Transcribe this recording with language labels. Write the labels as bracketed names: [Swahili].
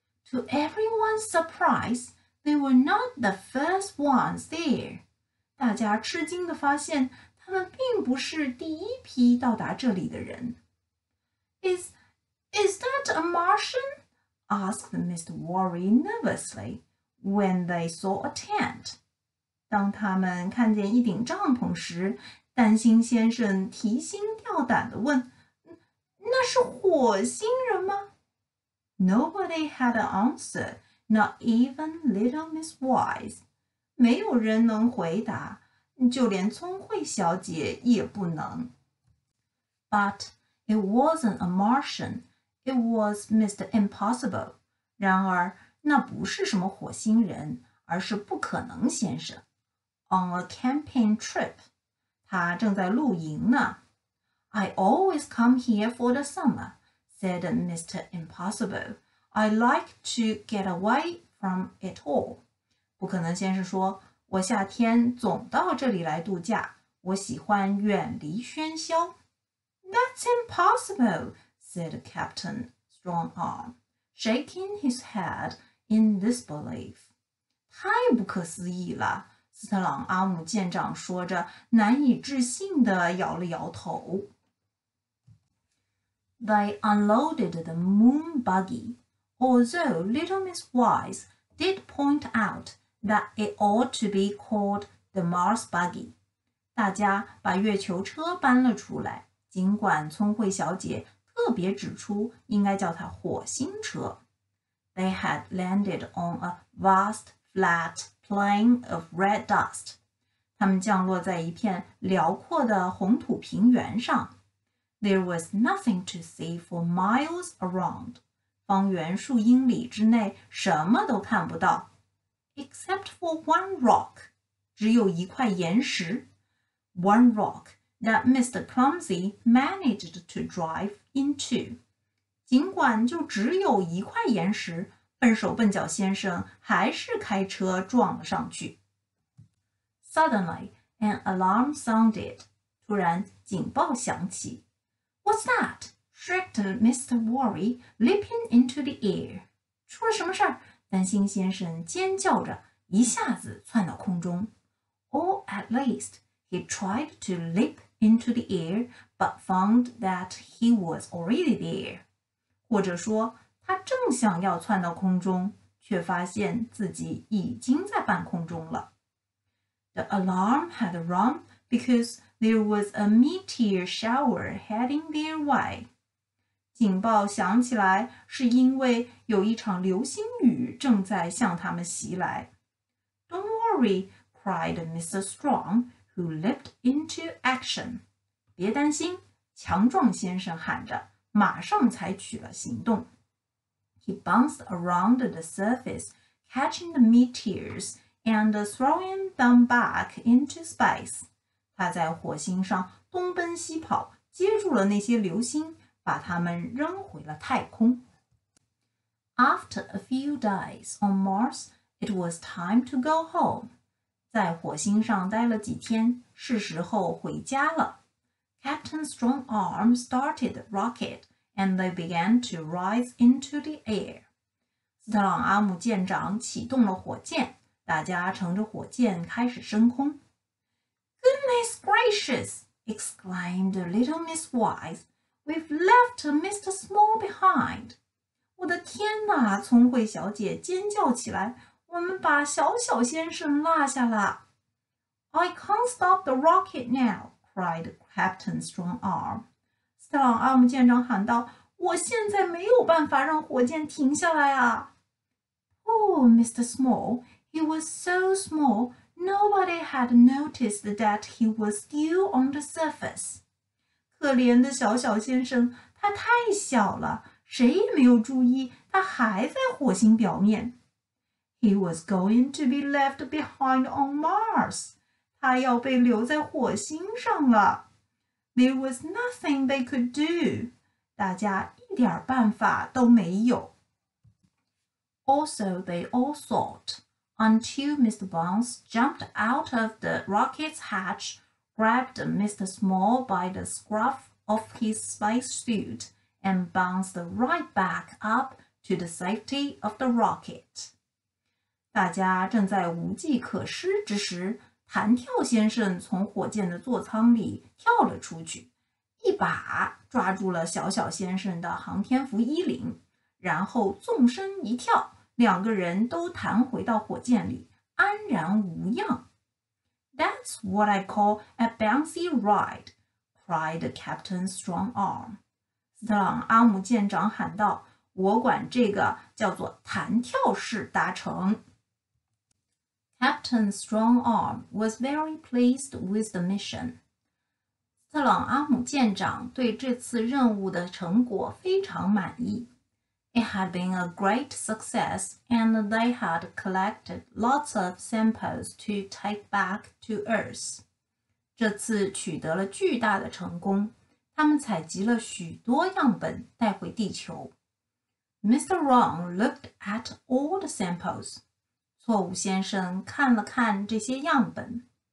[English] To everyone's surprise, they were not the first ones there. [Chinese] 大家吃惊地发现，他们并不是第一批到达这里的人。 [English] Is that a Martian? Asked Mr. Worry nervously. When they saw a tent, [Chinese] 当他们看见一顶帐篷时，担心先生提心吊胆地问：“ 那是火星人吗？” [English] Nobody had an answer, not even little Miss Wise. [Chinese] 没有人能回答，就连聪慧小姐也不能。 [English] But it wasn't a Martian; it was Mr. Impossible. [Chinese] 然而。那不是什么火星人，而是不可能先生。 [English] On a camping trip. [Chinese] 他正在露营呢。 [English] I always come here for the summer, said Mr. Impossible. I like to get away from it all. [Chinese] 不可能先生说，我夏天总到这里来度假，我喜欢远离喧嚣。 [English] That's impossible, said Captain Strongarm, shaking his head. In disbelief. [Chinese] 太不可思议了，斯特朗阿姆舰长说着，难以置信地摇了摇头。 [English] They unloaded the moon buggy, although little Miss Wise did point out that it ought to be called the Mars buggy. [Chinese] 大家把月球车搬了出来，尽管聪慧小姐特别指出应该叫它火星车。 [English] They had landed on a vast, flat plain of red dust. [Chinese] 他们降落在一片辽阔的红土平原上。 [English] There was nothing to see for miles around. [Chinese] 方圆数英里之内什么都看不到。 [English] Except for one rock. [Chinese] 只有一块岩石。 [English] One rock that Mr. Clumsy managed to drive into. [Chinese] 尽管就只有一块岩石，笨手笨脚先生还是开车撞了上去。 [English] Suddenly, an alarm sounded. [Chinese] 突然警报响起。 [English] What's that? Shrieked Mr. Worry, leaping into the air. [Chinese] 出了什么事儿？担心先生尖叫着，一下子窜到空中。 [English] Or at least, he tried to leap into the air, but found that he was already there. [Chinese] 或者说，他正想要窜到空中，却发现自己已经在半空中了。 [English] The alarm had rung because there was a meteor shower heading their way. [Chinese] 警报响起来是因为有一场流星雨正在向他们袭来。 [English] Don't worry, cried Mr. Strong, who leaped into action. [Chinese] 别担心，强壮先生喊着。马上采取了行动。 [English] He bounced around the surface, catching the meteors and throwing them back into space. [Chinese] 他在火星上东奔西跑，接住了那些流星，把它们扔回了太空。 [English] After a few days on Mars, it was time to go home. [Chinese] 在火星上待了几天，是时候回家了。 [English] Captain Strongarm started the rocket, and they began to rise into the air. [Chinese] 斯特朗阿姆舰长启动了火箭，大家乘着火箭开始升空。 [English] Goodness gracious! Exclaimed little Miss Wise. We've left Mr. Small behind. [Chinese] 我的天哪！聪慧小姐尖叫起来，我们把小小先生落下了。 [English] I can't stop the rocket now. Cried Captain Strongarm. [Chinese] 斯特朗阿姆舰长喊道，我现在没有办法让火箭停下来啊。 [English] Who Poor Mr. Small, he was so small, nobody had noticed that he was still on the surface. [Chinese] 可怜的小小先生，他太小了，谁也没有注意，他还在火星表面。 [English] He was going to be left behind on Mars. [Chinese] 他要被留在火星上了。 [English] There was nothing they could do. [Chinese] 大家一点办法都没有。 [English] Also, they all thought, until Mr. Bones jumped out of the rocket's hatch, grabbed Mr. Small by the scruff of his space suit, and bounced right back up to the safety of the rocket. [Chinese] 大家正在无计可施之时，弹跳先生从火箭的座舱里跳了出去，一把抓住了小小先生的航天服衣领，然后纵身一跳，两个人都弹回到火箭里，安然无恙。 [English] That's what I call a bouncy ride, cried the captain's strong arm. [Chinese] 斯特朗阿姆舰长喊道，我管这个叫做弹跳式搭乘。 [English] Captain Strong Arm was very pleased with the mission. [Chinese] 特朗阿姆舰长对这次任务的成果非常满意。 [English] It had been a great success, and they had collected lots of samples to take back to Earth. [Chinese] 这次取得了巨大的成功，他们采集了许多样本带回地球。 [English] Mr. Wrong looked at all the samples. [Chinese] 错误先生看了看这些样本。